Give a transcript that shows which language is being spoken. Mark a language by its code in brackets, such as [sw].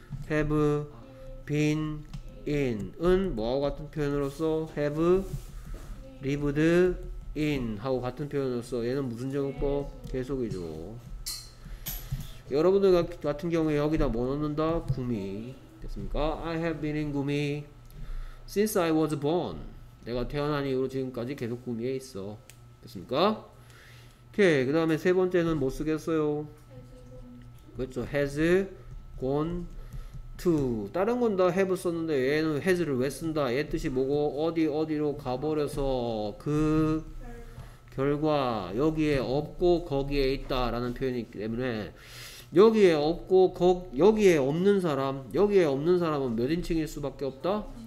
[en] have been in [ko] 은 뭐하고 같은 표현으로써 [en] have lived in [ko] 하고 같은 표현으로써 얘는 무슨 적용법? 계속이죠. 여러분들 같은 경우에 여기다 뭐 넣는다? 구미. 됐습니까? [en] I have been in 구미 since I was born. [ko] 내가 태어난 이후로 지금까지 계속 구미에 있어. 됐습니까? 오케이. 그 다음에 세 번째는 못 쓰겠어요. 그렇죠. [en] has gone to. [ko] 다른 건 다 have 썼는데 얘는 has를 왜 쓴다? 얘 뜻이 뭐고 어디 어디로 가버려서 그 결과 여기에 없고 거기에 있다 라는 표현이기 때문에 여기에 없고 여기에 없는 사람, 여기에 없는 사람은 몇 인칭일 수밖에 없다?